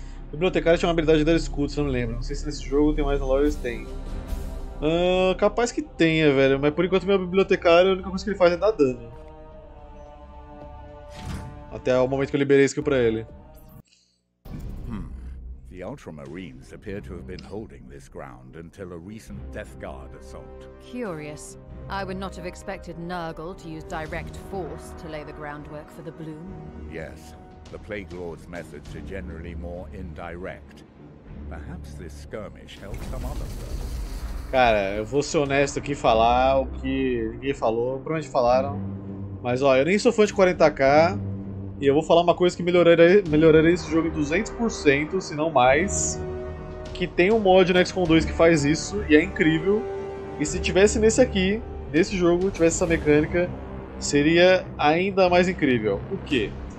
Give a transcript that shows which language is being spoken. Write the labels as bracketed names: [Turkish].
[Portuguese] Bibliotecário tinha uma habilidade de dar escudo, se eu não lembro. Não sei se nesse jogo tem mais, na lore eles têm. Capaz que tenha, velho. Mas por enquanto meu bibliotecário, a única coisa que ele faz é dar dano. Até o momento que eu liberei a skill pra ele. [English] The Ultramarines appear to have been holding this ground until a recent Death Guard assault. Curious. I would not have expected Nurgle to use direct force to lay the groundwork for the Bloom. Yes. The Plague Lord's methods are generally more indirect. Perhaps this skirmish held some other purpose. [Portuguese] Cara, eu vou ser honesto aqui e falar o que ninguém falou, provavelmente falaram. Mas ó, eu nem sou fã de 40k. E eu vou falar uma coisa que melhoraria esse jogo em 200%, se não mais. Que tem um mod no XCOM 2 que faz isso, e é incrível. E se tivesse nesse aqui, nesse jogo, tivesse essa mecânica, seria ainda mais incrível. Por quê?